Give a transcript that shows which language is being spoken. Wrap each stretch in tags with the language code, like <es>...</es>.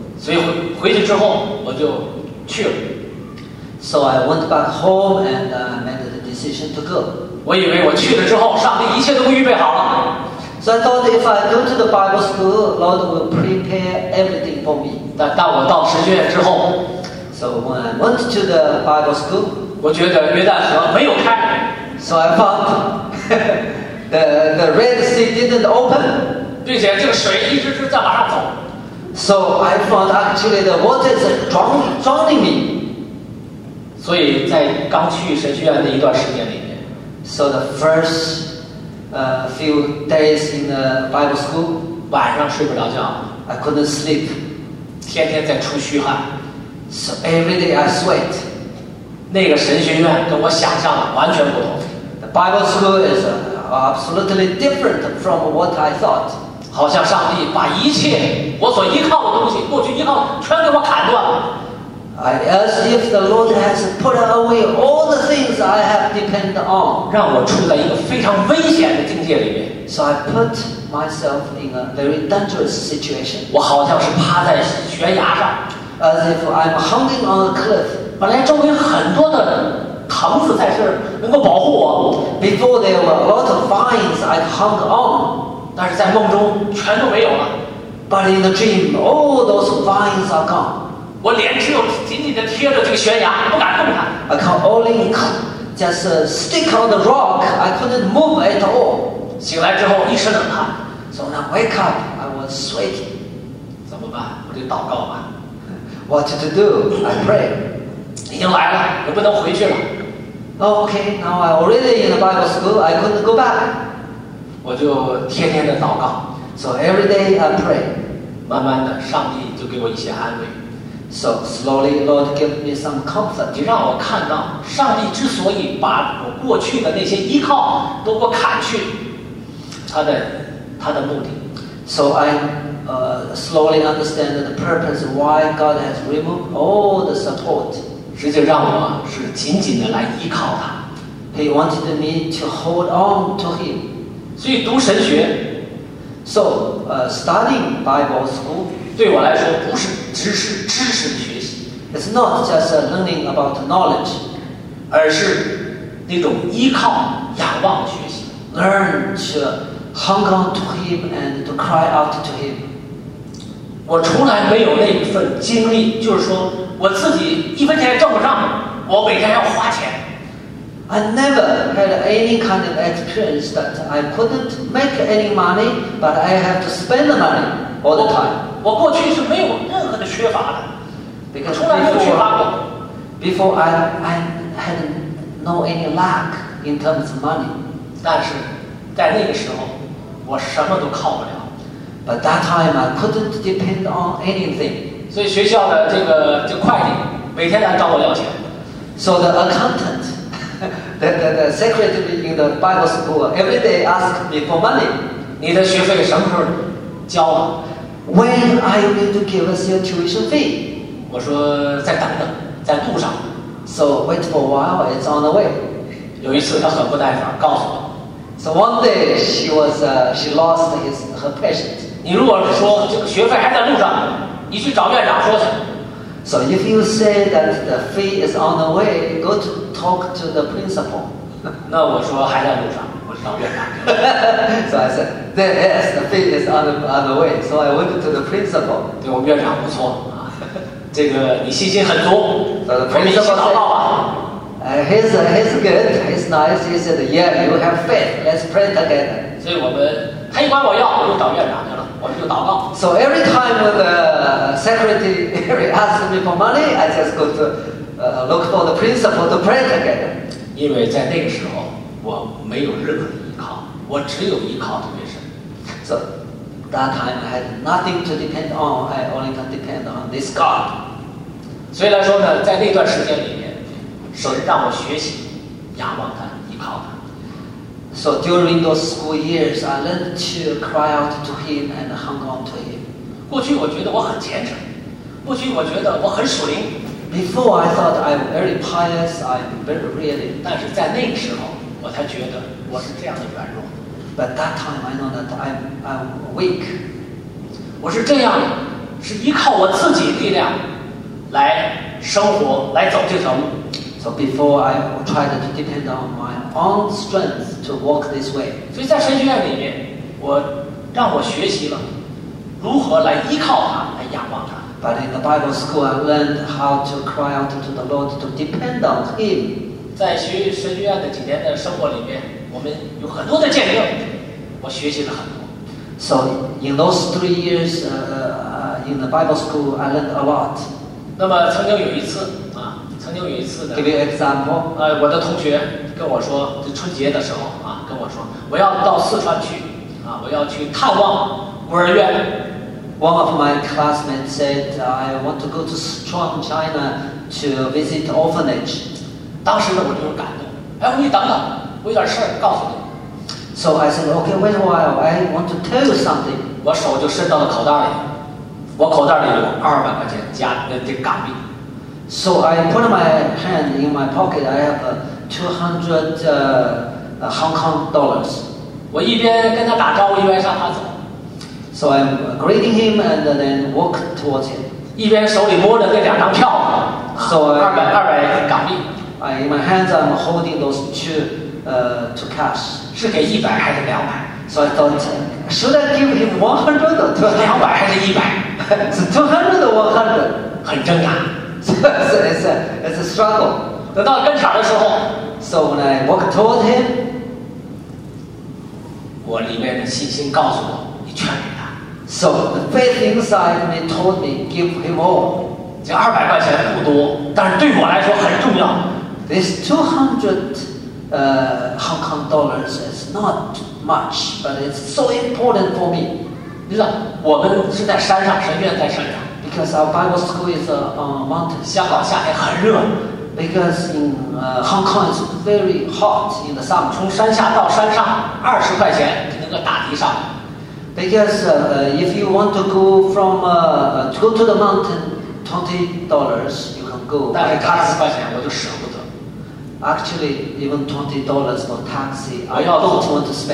<zh>所以回去之后我就去了。</zh> <en>So I went back home and made the decision to go.</en> <zh>我以为我去了之后，上帝一切都预备好了。</zh> <en>So I thought if I go to the Bible school, Lord will prepare everything for me.</en> <zh>但我到神学院之后</zh> <en>，So when I went to the Bible school,</en> <zh>我觉得约旦河没有开。</zh> <en>So I found. The Red Sea didn't open.</en> <zh>并且这个水一直是在往上走。</zh> <en>So I found actually the water is drowning me.</en> <zh>所以在刚去神学院的一段时间里面。</zh> <en>So the first few days in the Bible school.</en> <zh>晚上睡不着觉。</zh> <en>I couldn't sleep.</en> <zh>天天在出虚汗。</zh> <en>So every day I sweat.</en> <zh>那个神学院跟我想象的完全不同。</zh> <en>The Bible school is absolutely different from what I thought.</en> <zh>好像上帝把一切我所依靠的东西，过去依靠全给我砍断了。</zh> <en>As if the Lord has put away all the things I have depended on.</en> <zh>让我处在一个非常危险的境界里面。</zh> <en>So I put myself in a very dangerous situation.</en> <zh>我好像是趴在悬崖上。</zh> <en>As if I'm hanging on a cliff.</en> <zh>本来周围很多的人。藤子在这儿能够保护我。</zh> <en>Before there were a lot of vines I hung on,</en> <zh>但是在梦中全都没有了。</zh> <en>But in the dream, all those vines are gone.</en> <zh>我脸只有紧紧地贴着这个悬崖，不敢动弹。</zh> <en>I can only just stick on the rock. I couldn't move at all.</en> <zh>醒来之后一身冷汗。</zh> <en>So when I wake up, I was sweating.</en> <zh>怎么办？我就祷告吧。</zh> <en>What to do? I pray.</en> <zh>已经来了，我不能回去了。</zh> <en>Okay, now I already in the Bible school. I couldn't go back.</en> <zh>我就天天的祷告。</zh> <en>So every day I pray.</en> <zh>慢慢的，上帝就给我一些安慰。</zh> <en>So slowly, Lord gave me some comfort.</en> <zh>你让我看到，上帝之所以把我过去的那些依靠都给我砍去，他的目的。</zh> <en>So I slowly understand the purpose why God has removed all the support.</en> <zh>实际让我是紧紧地来依靠他。</zh> <en>He wanted me to hold on to him.</en> <zh>所以读神学</zh> <en>，so studying Bible school</en> <zh>对我来说不是只是知识的学习</zh> <en>，it's not just learning about knowledge，</en> <zh>而是那种依靠仰望的学习。</zh> <en>Learn to hang on to him and to cry out to him.</en> <zh>我从来没有那一份经历，就是说。我自己一分钱挣不上，我每天要花钱。</zh> <en>I never had any kind of experience that I couldn't make any money, but I have to spend the money all the time.</en> <zh>我过去是没有任何的缺乏的。</zh> <en>Because</en> <zh>从来没有缺乏过。</zh> <en>Before I had no any lack in terms of money.</en> <zh>但是在那个时候我什么都靠不了。</zh> <en>But that time I couldn't depend on anything.</en> <zh>所以学校的这个会计每天来找我要钱。</zh> <en>So the accountant, the secretary in the Bible school every day asked me for money.</en> <zh>你的学费什么时候交啊？</zh> <en>When are you going to give us your tuition fee?</en> <zh>我说再等等，在路上。</zh> <en>So wait for a while, it's on the way.</en> <zh>有一次他很不耐烦告诉我。</zh> <en>So one day she lost her patience.</en> <zh>你如果说这个学费还在路上，你去找院长说去。</zh> <en>So if you say that the fee is on the way, go to talk to the principal.</en> <zh>那我说还在路上。</zh> <en>So I said, yes, the fee is on the way. So I went to the principal.</en> <zh>对，我们院长不错，这个你信心很足。</zh> <en>So the principal said, he's good, he's nice. He said, yeah, you have faith. Let's pray together.</en> <zh>所以我们他一管我要，我就找院长去了，我们就祷告。</zh> <en>So every time when the secretary asks me for money, I just go to look for the principal to pray together.</en> <zh>因为在那个时候。我没有任何的依靠，我只有依靠特别神。</zh> <en>So that time I had nothing to depend on. I only can depend on this God.</en> <zh>所以来说呢，在那段时间里面，神让我学习仰望他，依靠他。</zh> <en>So during those school years, I learned to cry out to Him and hang on to Him.</en> <zh>过去我觉得我很虔诚，过去我觉得我很属灵。</zh> <en>Before I thought I'm very pious, I'm very really.</en> <zh>但是在那个时候。我才觉得我是这样的软弱。</zh> <en>But that time I know that I'm weak.</en> <zh>我是这样的，是依靠我自己力量来生活，来走这条路。</zh> <en>So before I tried to depend on my own strength to walk this way.</en> <zh>所以在神学院里面，我让我学习了如何来依靠他，来仰望他。</zh> <en>But in the Bible school, I learned how to cry out to the Lord to depend on Him.</en> <zh>在神学院的几年的生活里面，我们有很多的见证，我学习了很多。</zh> <en>So in those 3 years, in the Bible school, I learned a lot.</en> <zh>那么曾经有一次啊，曾经有一次呢</zh> <en>，Give you example.</en> <zh>我的同学跟我说，就春节的时候啊，跟我说我要到四川去啊，我要去探望孤儿院。</zh> <en>One of my classmates said, I want to go to Sichuan, China, to visit orphanage.</en> <zh>当时呢，我就有感动。哎，我说你等等，我有点事儿告诉你。</zh> <en>So I said, okay, wait a while. I want to tell you something.</en> <zh>我手就伸到了口袋里，我口袋里有200块钱加这港币。</zh> <en>So I put my hand in my pocket. I have $200 Hong Kong dollars.</en> <zh>我一边跟他打招呼，一边向他走。</zh> <en>So I'm greeting him and then walk towards him.</en> <zh>一边手里摸着那两张票</zh> <en>，So</en> <zh>200港币。</zh> <en>In my hands, I'm holding those two cash.</en> <zh>是给一百还是两百</zh> <en>？So I thought, should I give him 100 or 200？</en> <zh>两百还是一百？是</zh> <en>200 or 100？</en> <zh>很挣扎。</zh> <en>It's a struggle.</en> <zh>等到跟前的时候</zh> <en>，So when I walk toward him,</en> <zh>我里面的信心告诉我，你劝给他。</zh> <en>So the faith inside me told me, give him all.</en> <zh>这200块钱不多，但是对我来说很重要。</zh> <en>This 200 Hong Kong dollars is not much, but it's so important for me.</en> <zh>你知道，我们是在山上，神院在山上。</zh> <en>Because our Bible school is on a mountain.</en> <zh>香港夏天很热。</zh> <en>Because in Hong Kong is very hot in the summer.</en> <zh>从山下到山上，20块钱就能够打的上。</zh> <en>Because if you want to go from go to the mountain. $20, you can go.</en> <zh>但是20块钱我就舍不得。</zh> <en>Actually, even $20 for taxi, I don't want to spend.</en>